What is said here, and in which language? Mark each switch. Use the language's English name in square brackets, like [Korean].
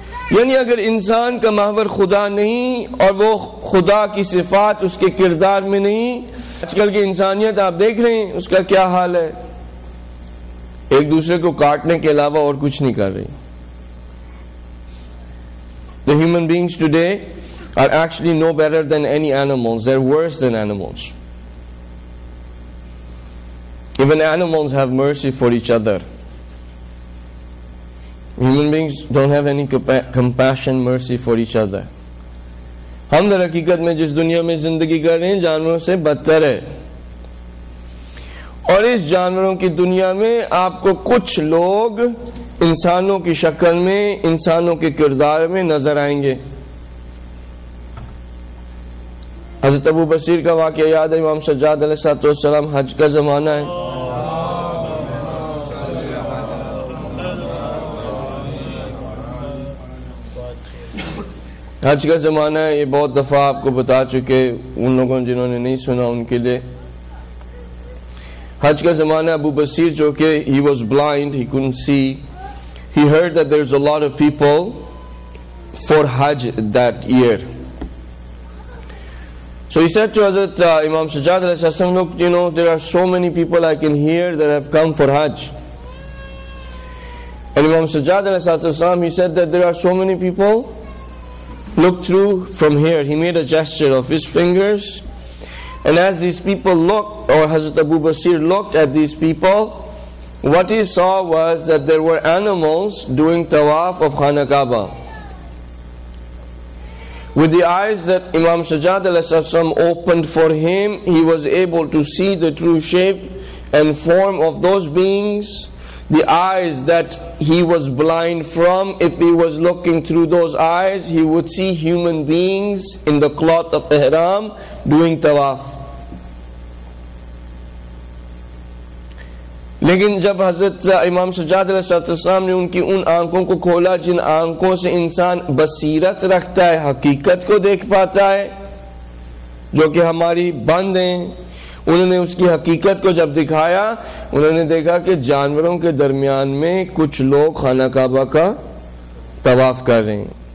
[Urdu] یعنی اگر انسان کا محور خدا نہیں اور وہ خدا کی صفات اس کے کردار میں نہیں, آج کل کی انسانیت آپ دیکھ رہے ہیں اس کا کیا حال ہے, ایک دوسرے کو کاٹنے کے علاوہ اور کچھ نہیں کر رہی. [English] The human beings today are actually no better than any animals, they're worse than animals. Even animals have mercy for each other. Human beings don't have any compassion, mercy for each other. [Urdu] ہم در حقیقت میں جس دنیا میں زندگی کر رہے ہیں جانوروں سے بدتر ہے, اور اس جانوروں کی دنیا میں آپ کو کچھ لوگ انسانوں کی شکل میں, انسانوں کے کردار میں نظر آئیں گے. حضرت ابو بصیر کا واقعہ یاد ہے, امام سجاد علیہ الصلوۃ والسلام حج کا زمانہ ہے, حج کا زمانہ ہے, یہ بہت دفعہ آپ کو بتا چکے, ان لوگوں جنہوں نے نہیں سنا ان کے لیے حج کا زمانہ. [English] Abu Basir [Urdu] جو کہ [English] he was blind, he couldn't see, he heard that there's a lot of people for Hajj that year. So he said to Hazrat Imam Sajjad, look, you know, there are so many people I can hear that have come for Hajj. And Imam Sajjad, he said that there are so many people, look through from here. He made a gesture of his fingers. And as these people looked, or Hazrat Abu Basir looked at these people, what he saw was that there were animals doing tawaf of Khana Kaaba. With the eyes that Imam Sajjad opened for him, he was able to see the true shape and form of those beings. The eyes that he was blind from, if he was looking through those eyes, he would see human beings in the cloth of Ihram doing tawaf. [Urdu] لیکن جب حضرت امام سجاد علیہ السلام نے ان کی ان آنکھوں کو کھولا جن آنکھوں سے انسان بصیرت رکھتا ہے حقیقت کو دیکھ پاتا ہے جو کہ ہماری بند ہیں انہوں نے اس کی حقیقت کو جب دکھایا انہوں نے دیکھا کہ جانوروں کے درمیان میں کچھ لوگ خانہ کعبہ کا طواف کر رہے ہیں